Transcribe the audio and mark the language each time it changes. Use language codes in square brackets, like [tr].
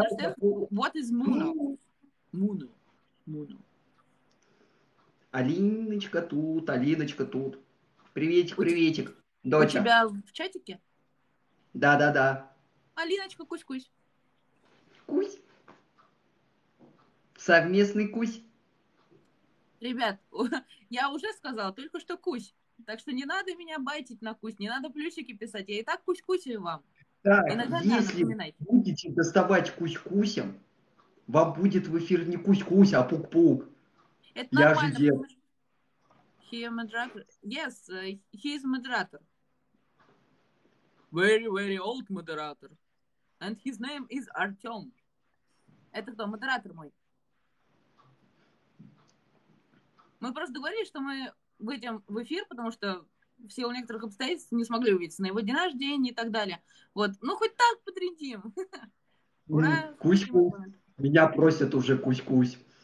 [en] Understand, what is Mono? Mono. Mono. [ru] Алиночка тут, Алиночка тут. Приветик, приветик, доча. У тебя в чатике? Да. Алиночка, кусь-кусь. Кусь. Совместный кусь. Ребят, я уже сказала, только что кусь. Так что не надо меня байтить на кусь, не надо плюсики писать. Я и так кусь-кусью вам. Так, иногда если будете доставать кусь-кусем, вам будет в эфир не кусь-кусь, а пук-пук. Это я нормально. Же дел... [en] He a moderator. Yes, he is a moderator. Very, very old moderator. And his name is Артём. [ru] Это кто? Модератор мой. Мы просто договорились, что мы выйдем в эфир, потому что в силу некоторых обстоятельств не смогли увидеться на его день рождения и так далее. Вот. Ну, хоть так потрендим. Кусь-кусь. Меня просят уже кусь-кусь.